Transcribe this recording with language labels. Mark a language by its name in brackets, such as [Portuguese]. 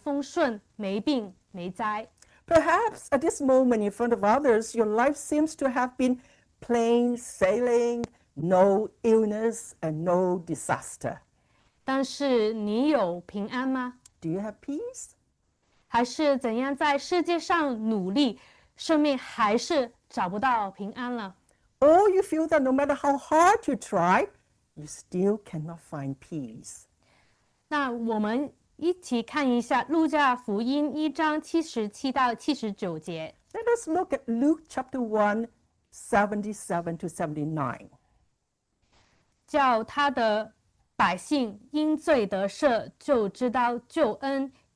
[Chinese] 或许你现在在人前算是一帆风顺，没病没灾。 [English] Perhaps at this moment in front of others, your life seems to have been plain sailing, no illness, and no disaster. [Chinese] 但是你有平安吗？ [English] Do you have peace? [Chinese] 还是怎样在世界上努力，生命还是找不到平安了。 [English] Or you feel that no matter how hard you try, you still cannot find peace. [Chinese] 那我们一起看一下《路加福音》1章77到79节。 [English] Let us look at Luke chapter 1, 77 to 79. [Chinese] 叫他的百姓因罪得赦，就知道救恩。